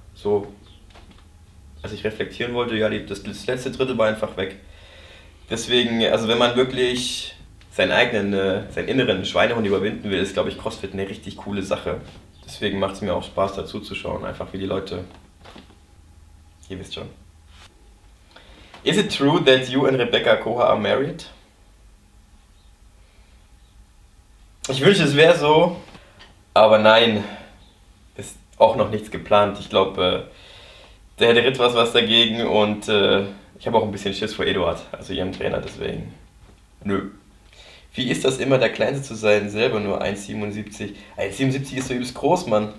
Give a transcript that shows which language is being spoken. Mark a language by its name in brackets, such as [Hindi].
[German] So, als ich reflektieren wollte, ja, das letzte Drittel war einfach weg. Deswegen, also wenn man wirklich seinen inneren Schweinehund überwinden will, ist, glaube ich, CrossFit eine richtig coole Sache. Deswegen macht es mir auch Spaß, da zuzuschauen, einfach wie die Leute. Ihr wisst schon. [English] Is it true that you and Rebecca Koha are married? [German] Ich wünschte, es wäre so, aber nein, ist auch noch nichts geplant. Ich glaube, der Ritt war was dagegen und ich habe auch ein bisschen Schiss vor Eduard, also ihrem Trainer, deswegen. Nö. Wie ist das immer, der Kleinste zu sein, selber nur 1,77? 1,77 ist so übelst groß, Mann.